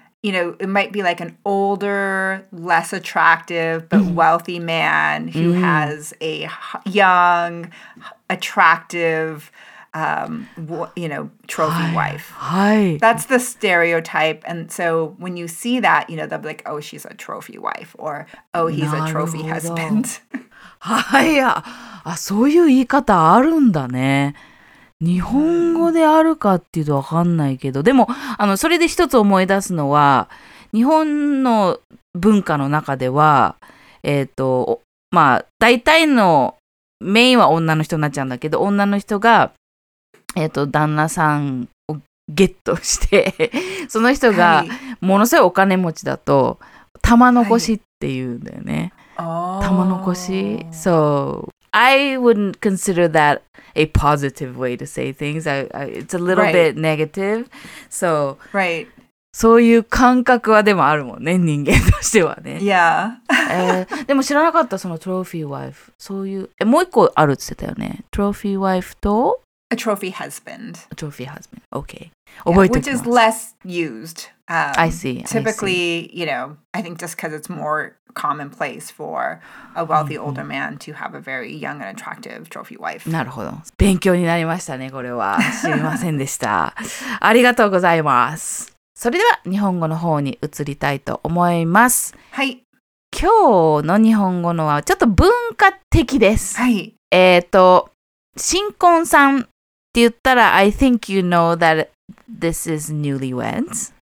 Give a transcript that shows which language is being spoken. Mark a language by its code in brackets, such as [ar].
[en] You know, it might be like an older, less attractive, but wealthy man who has a young, attractive, you know, trophy wife. [ja] Hi. [en] That's the stereotype. And so when you see that, you know, they'll be like, oh, she's a trophy wife or, oh, he's a trophy husband. [ja] はい。あ、そういう言い方あるんだね。日本語であるかっていうとわかんないけど、でも、あの、それで一つ思い出すのは、日本の文化の中では、まあ、大体のメインは女の人になっちゃうんだけど、女の人が、旦那さんをゲットして、その人がものすごいお金持ちだと、玉残しっていうんだよね。はい、玉残し?そう。 [en] I wouldn't consider that a positive way to say things. It's a little bit negative. [ja] So, そういう感覚はでもあるもんね、人間としてはね。 [en] Yeah. [ja] 、でも知らなかった、そのトロフィーワイフ。そういう、もう一個あるって言ってたよね。トロフィーワイフと [en] A trophy husband. A trophy husband. Okay. [ja] 覚えておきます。 [en] Which is less used. I see. Typically, you know, I think just because it's more commonplace for a wealthy older man to have a very young and attractive trophy wife. [ja] なるほど。勉強になりましたね、これは。知りませんでした。ありがとうございます。それでは、日本語の方に移りたいと思います。はい。今日の日本語のはちょっと文化的です。はい。新婚さんって言ったら [en] I think you know that this is newlyweds.